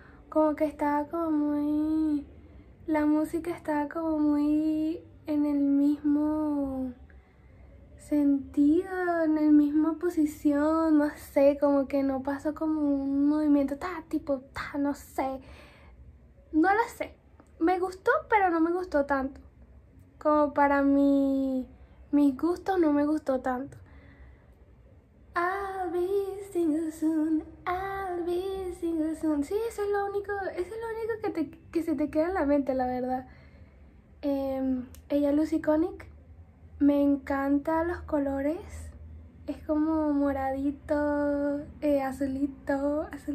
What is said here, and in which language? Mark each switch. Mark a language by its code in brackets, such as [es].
[es] Como que estaba como muy, la música estaba como muy en el mismo sentido, en la misma posición, no sé, como que no pasó como un movimiento no sé. No lo sé. Me gustó, pero no me gustó tanto. Como para mis gustos, no me gustó tanto. [en] I'll be single soon, I'll be single soon. [es] Sí, eso es lo único que se te queda en la mente, la verdad. Ella Lucy Connick. Me encantan los colores. Es como moradito, azulito.